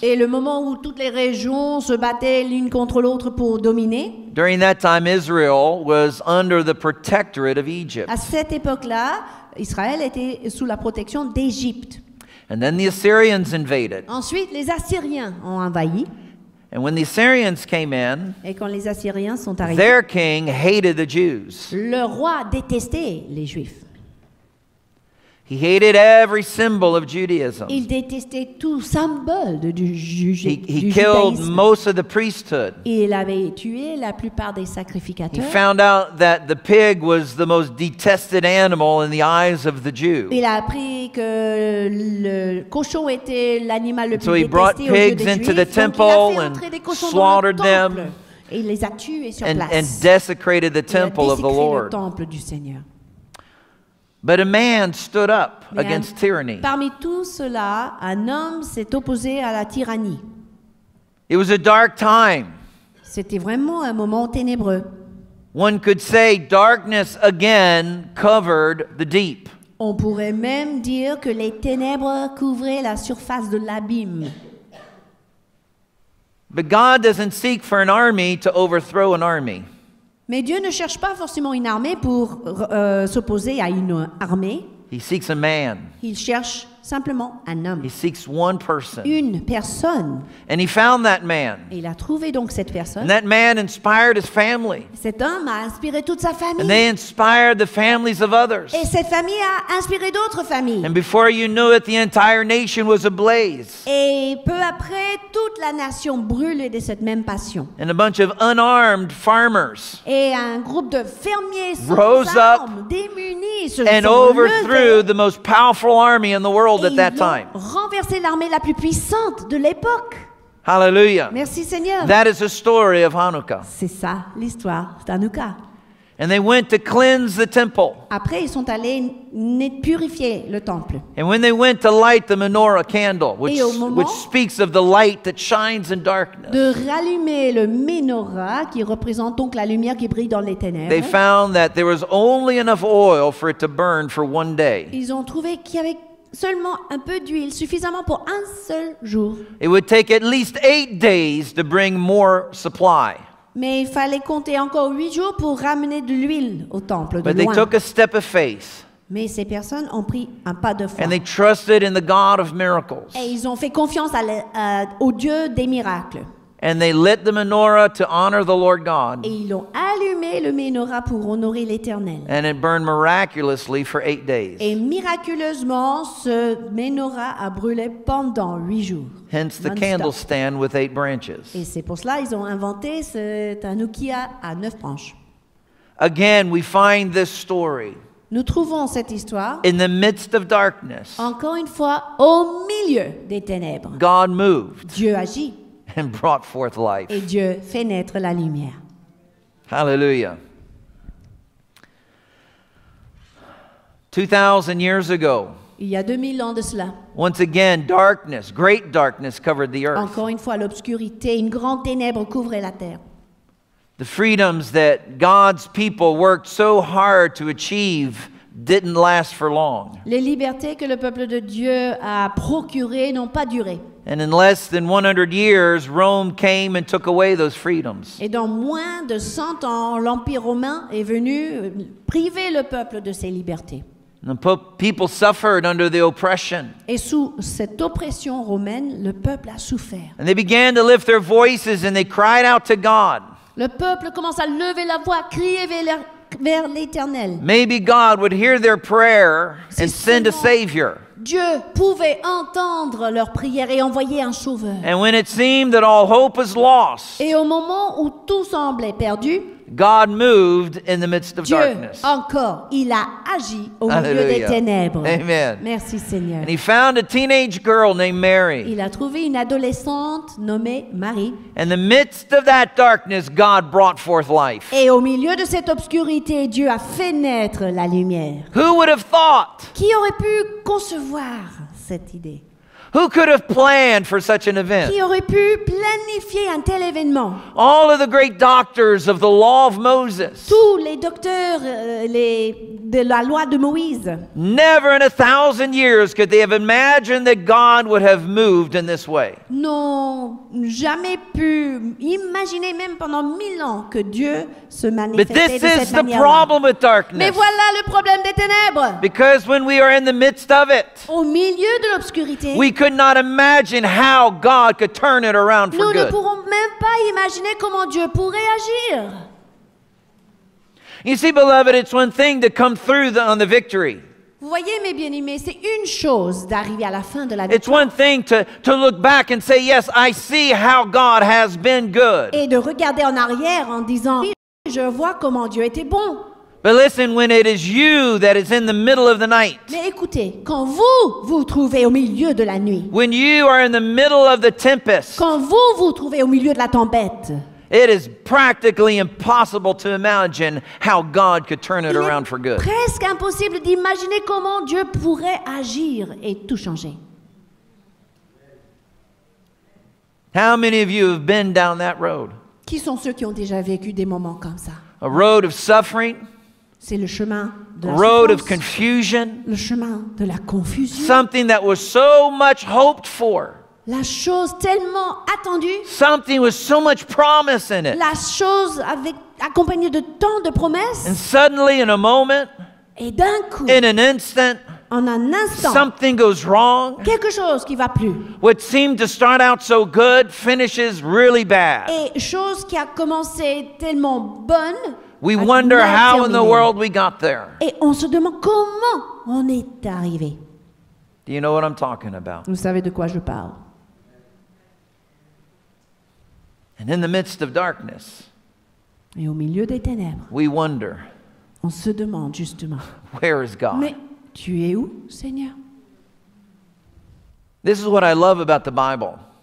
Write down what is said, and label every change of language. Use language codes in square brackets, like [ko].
[fr] Et le moment où toutes les régions se battaient l'une contre l'autre pour dominer. [en] During that time, Israel was under the protectorate of Egypt. [fr] À cette époque-là, Israël était sous la protection d'Égypte. [en] And then the Assyrians invaded. [fr] Ensuite, les Assyriens ont envahi. [en] And when the Assyrians came in, [fr] et quand les Assyriens sont arrivés, [en] their king hated the Jews. [fr] Le roi détestait les Juifs. [en] He hated every symbol of Judaism. [fr] Il détestait tout symbole du judaïsme. [en] He killed most of the priesthood. [fr] Il avait tué la plupart des sacrificateurs. [en] He found out that the pig was the most detested animal in the eyes of the Jew. [fr] Il a appris que le cochon était l'animal le plus détesté. [en] So he brought pigs into the temple and slaughtered them. [fr] Il les a tués sur place. [en] And desecrated the temple of the Lord. [fr] Le temple du Seigneur. [en] But a man stood up against tyranny. [fr] Parmi tout cela, un homme s'est opposé à la tyrannie. [en] It was a dark time. [fr] C'était vraiment un moment ténébreux. [en] One could say darkness again covered the deep. [fr] On pourrait même dire que les ténèbres couvraient la surface de l'abîme. [en] But God doesn't seek for an army to overthrow an army. [fr] Mais Dieu ne cherche pas forcément une armée pour s'opposer à une armée. [en] He seeks a man. [fr] Il cherche simplement un homme. [en] He seeks one person. [fr] Une personne. [en] And he found that man. [fr] Et il a trouvé donc cette personne. [en] And that man inspired his family. [fr] Cet homme a inspiré toute sa famille. [en] And they inspired the families of others. [fr] Et cette famille a inspiré d'autres familles. [en] And before you knew it, the entire nation was ablaze. [fr] Et peu après, toute la nation brûlait de cette même passion. [en] And a bunch of unarmed farmers. [fr] Et un groupe de fermiers sans [en] rose [fr] armes, [en] up [fr] démunis, se [en] and overthrew the most powerful army in the world at that time. [fr] Renverser l'armée la plus puissante de l'époque. [en] Hallelujah. [fr] Merci Seigneur. [en] That is the story of Hanukkah. [fr] C'est ça l'histoire d'Hanukkah. [en] And they went to cleanse the temple. [fr] Après ils sont allés purifier le temple. [en] And when they went to light the menorah candle, which speaks of the light that shines in darkness. [fr] De rallumer le menorah qui représente donc la lumière qui brille dans les ténèbres. [en] They found that there was only enough oil for it to burn for one day. [fr] Ils ont trouvé qu'il y avait seulement un peu d'huile, suffisamment pour un seul jour. [en] It would take at least 8 days to bring more supply. [fr] Mais il fallait compter encore 8 jours pour ramener de l'huile au temple. [en] But [fr] de [en] they [fr] loin. [en] Took a step of faith. [fr] Mais ces personnes ont pris un pas de foi. [en] And they trusted in the God of miracles. [fr] Et ils ont fait confiance au Dieu des miracles. [en] And they lit the menorah to honor the Lord God. [fr] Et ils ont allumé le menorah pour honorer l'Éternel. [en] And it burned miraculously for 8 days. [fr] Et miraculeusement, ce menorah a brûlé pendant 8 jours. [en] Hence the candle stand with 8 branches. [fr] Et c'est pour cela qu'ils ont inventé ce hanukkah à 9 branches. [en] Again, we find this story. [fr] Nous trouvons cette histoire. [en] In the midst of darkness. [fr] Encore une fois, au milieu des ténèbres. [en] God moved. [fr] Dieu agit. [en] And brought forth life. [fr] Et Dieu fait naître la lumière. [en] Hallelujah. 2,000 years ago. [fr] Il y a 2000 ans de cela. [en] Once again, darkness, great darkness, covered the earth. [fr] Encore une fois, l'obscurité, une grande ténèbre couvrait la terre. [en] The freedoms that God's people worked so hard to achieve didn't last for long. [fr] Les libertés que le peuple de Dieu a procurées n'ont pas duré. [en] And in less than 100 years, Rome came and took away those freedoms. [fr] Et dans moins de 100 ans, l'Empire romain est venu priver le peuple de ses libertés. [en] The people suffered under the oppression. [fr] Et sous cette oppression romaine, le peuple a souffert. [en] And they began to lift their voices and they cried out to God. [fr] Le peuple commence à lever la voix, crier vers l'Éternel. [en] Maybe God would hear their prayer and send a savior. [fr] Dieu pouvait entendre leurs prières et envoyer un sauveur. [en] And when it seemed that all hope was lost, [fr] et au moment où tout semblait perdu, [en] God moved in the midst of [fr] Dieu, [en] darkness. [fr] Encore, il a agi au Alleluia. Milieu des ténèbres. [en] Amen. [fr] Merci Seigneur. [en] And he found a teenage girl named Mary. [fr] Il a trouvé une adolescente nommée Marie. [en] In the midst of that darkness, God brought forth life. [fr] Et au milieu de cette obscurité, Dieu a fait naître la lumière. [en] Who would have thought? [fr] Qui aurait pu concevoir cette idée? [en] Who could have planned for such an event? [fr] Qui aurait pu planifier un tel événement? [en] All of the great doctors of the law of Moses. [fr] Tous les docteurs de la loi de Moïse. [en] Never in 1,000 years could they have imagined that God would have moved in this way. [fr] N'ont jamais pu imaginer même pendant 1,000 ans que Dieu se manifestait de cette manière. [en] But this is the problem with darkness. [fr] Mais voilà le problème des ténèbres. [en] Because when we are in the midst of it. [fr] Au milieu de l'obscurité. [en] We could not imagine how God could turn it around for good. [fr] Nous ne pourrons même pas imaginer comment Dieu pourrait agir. [en] You see, beloved, it's one thing to come through on the victory. [fr] Vous voyez, mes bien-aimés, c'est une chose d'arriver à la fin de la victoire. [en] It's one thing to look back and say, yes, I see how God has been good. [fr] Et de regarder en arrière en disant, oui, je vois comment Dieu était bon. [en] But listen, when it is you that is in the middle of the night. [fr] Mais écoutez, quand vous vous trouvez au milieu de la nuit. [en] When you are in the middle of the tempest. [fr] Quand vous vous trouvez au milieu de la tempête. [en] It is practically impossible to imagine how God could turn it around for good. [fr] Presque impossible d'imaginer comment Dieu pourrait agir et tout changer. [en] How many of you have been down that road? [fr] Qui sont ceux qui ont déjà vécu des moments comme ça? [en] A road of suffering. [fr] C'est le chemin de la [en] road of confusion. [fr] Le chemin de la confusion. [en] Something that was so much hoped for. [fr] La chose tellement attendue. [en] Something with so much promise in it. [fr] La chose avec accompagné de tant de promesses. [en] And suddenly, in a moment, [fr] et d'un coup, [en] in an instant, [fr] en un instant, [en] something goes wrong. [fr] Quelque chose qui va plus. [en] What seemed to start out so good finishes really bad. [fr] Et chose qui a commencé tellement bonne. [en] We wonder how in the world we got there. [fr] Et on se demande comment on est arrivé. [en] Do you know what I'm talking about? [fr] Vous savez de quoi je parle. [en] And in the midst of darkness. [fr] Et au milieu des ténèbres. [en] We wonder. [fr] On se demande justement. [en] Where is God? [fr] Mais tu es où, Seigneur? [en] This is what I love about the Bible.